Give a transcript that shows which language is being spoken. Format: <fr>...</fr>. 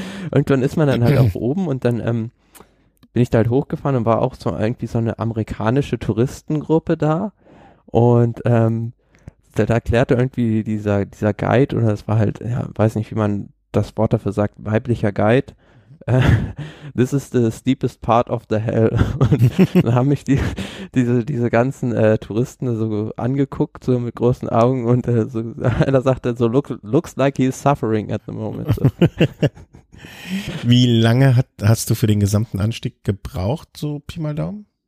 <de>Irgendwann ist man dann halt auch oben und dann bin ich da halt hochgefahren und war auch so irgendwie so eine amerikanische Touristengruppe da. Und da erklärte irgendwie dieser Guide, oder es war halt, ja, weiß nicht, wie man das Wort dafür sagt, weiblicher Guide.</de> <en>This is the steepest part of the hell.</en> <de>Und dann haben mich diese ganzen Touristen so angeguckt, so mit großen Augen, und so, einer sagte so,</de> <en>looks like he's suffering at the moment.</en> <de>So. Wie lange hast du für den gesamten Anstieg gebraucht, so Pi mal Daumen?</de>